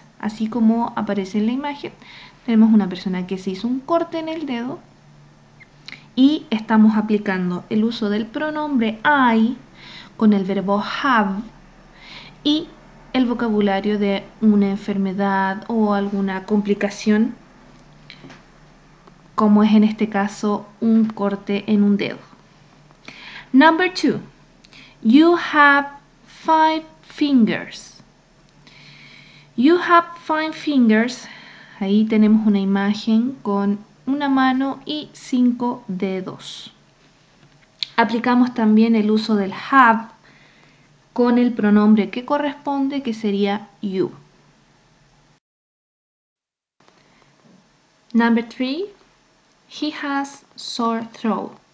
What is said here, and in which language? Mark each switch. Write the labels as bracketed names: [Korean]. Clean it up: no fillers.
[Spanish] Así como aparece en la imagen, tenemos una persona que se hizo un corte en el dedo y estamos aplicando el uso del pronombre I con el verbo have y el vocabulario de una enfermedad o alguna complicación, como es en este caso un corte en un dedo. [English] Number two, you have five fingers. You have five fingers. [Spanish] Ahí tenemos una imagen con una mano y cinco dedos. Aplicamos también el uso del have con el pronombre que corresponde, que sería you. [English] Number three, he has sore throat.